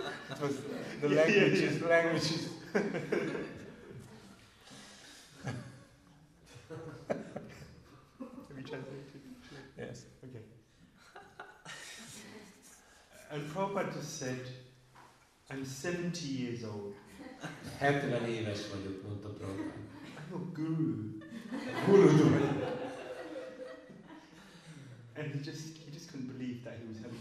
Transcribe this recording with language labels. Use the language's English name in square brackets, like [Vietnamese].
[English] It was the languages. Have you translated? Yes. Okay. And Prabhupada just said, I'm 70 years old. [Hungarian] 70 éves vagyok, mondta Prabhupada. [English] I'm a guru. [Hungarian] Guru. [English] And he just couldn't believe that he was having